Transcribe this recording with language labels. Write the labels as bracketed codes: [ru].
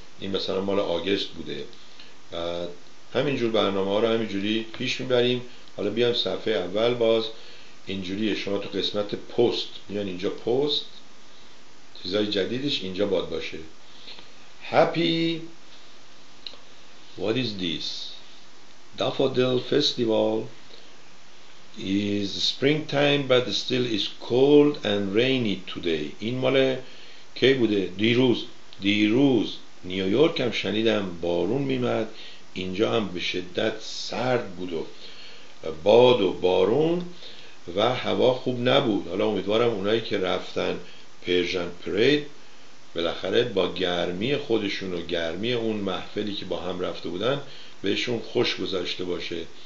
[fa] این مثلا مال آگست بوده، بعد همینجور برنامه ها رو همینجوری پیش میبریم. حالا بیام صفحه اول، باز اینجوریه، شما تو قسمت پست میان اینجا پست، چیزای جدیدش اینجا باید باشه. [en] Happy What is this? Daffodil Festival is springtime but still is cold and rainy today. [fa] این مال کی بوده؟ دیروز نیویورک هم شنیدم بارون میمد، اینجا هم به شدت سرد بود و باد و بارون و هوا خوب نبود. حالا امیدوارم اونایی که رفتن پرژن پرید بالاخره با گرمی خودشون و گرمی اون محفلی که با هم رفته بودن بهشون خوش گذاشته باشه.